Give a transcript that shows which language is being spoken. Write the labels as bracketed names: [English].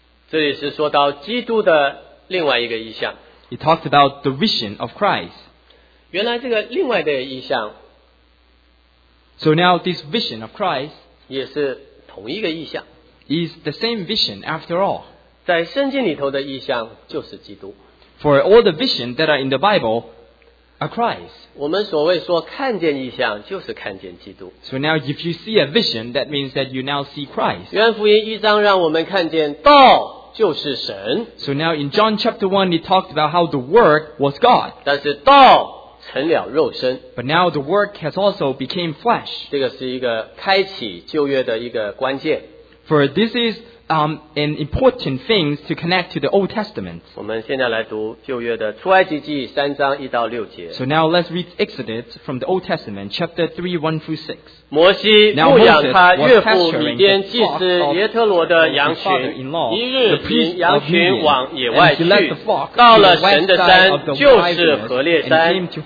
[Chinese] 这里是说到基督的另外一个意象。 [English] It talks about the vision of Christ. [Chinese] 原来这个另外的意象。 [English] So now this vision of Christ [Chinese] 也是同一个意象 [English] is the same vision after all. [Chinese] 在圣经里头的意象就是基督。 [English] For all the visions that are in the Bible are Christ. [Chinese] 我们所谓说看见意象就是看见基督。 [English] So now if you see a vision, that means that you now see Christ. [Chinese] 约翰福音一章让我们看见道就是神。 [English] So now in John chapter 1, he talked about how the Word was God. [Chinese] 但是道成了肉身。 [English] But now the Word has also became flesh. [Chinese] 这个是一个开启旧约的一个关键。 [English] For this is an important thing to connect to the Old Testament. [Chinese] 我们现在来读旧约的出埃及记三章一到六节。 [English] So now let's read Exodus from the Old Testament, chapter 3, 1 through 6. [Chinese] 摩西牧养他岳父米甸祭司耶特罗的羊群，一日领羊群往野外去，到了神的山，就是何烈山。